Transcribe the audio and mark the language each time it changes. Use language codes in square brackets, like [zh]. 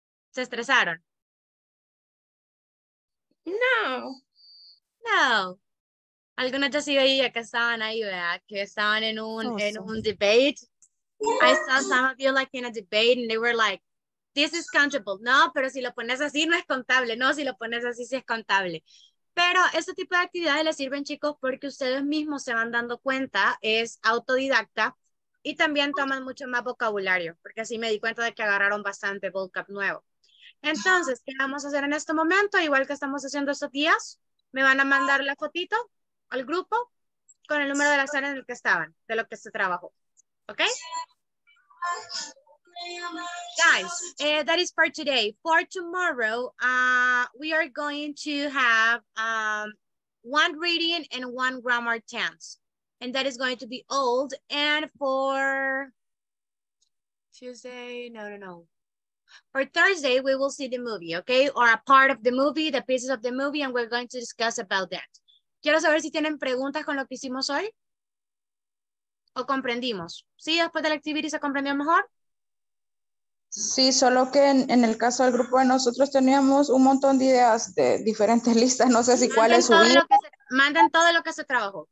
[es] ¿Se estresaron? No. No. Algunos ya sí veía que estaban ahí, ¿verdad? Que estaban en un, oh, en un debate. [en] Yeah. I saw some of you like in a debate and they were like, this is countable. [es] No, pero si lo pones así no es contable. No, si lo pones así sí es contable. Pero este tipo de actividades les sirven, chicos, porque ustedes mismos se van dando cuenta, es autodidacta y también toman mucho más vocabulario, porque así me di cuenta de que agarraron bastante vocab nuevo. Entonces, ¿qué vamos a hacer en este momento? Igual que estamos haciendo estos días, me van a mandar la fotito al grupo con el número de la sala en el que estaban, de lo que se trabajó. ¿Ok? [en] Guys, that is for today. For tomorrow, we are going to have one reading and one grammar tense. And that is going to be old. And for Tuesday, no. For Thursday, we will see the movie, okay? Or a part of the movie, the pieces of the movie, and we're going to discuss about that. [es] Quiero saber si tienen preguntas con lo que hicimos hoy. ¿O comprendimos? ¿Sí, después de la actividad se comprendió mejor? Sí, solo que en el caso del grupo de nosotros teníamos un montón de ideas de diferentes listas. No sé si cuál es su lista. Manden todo lo que se trabajó.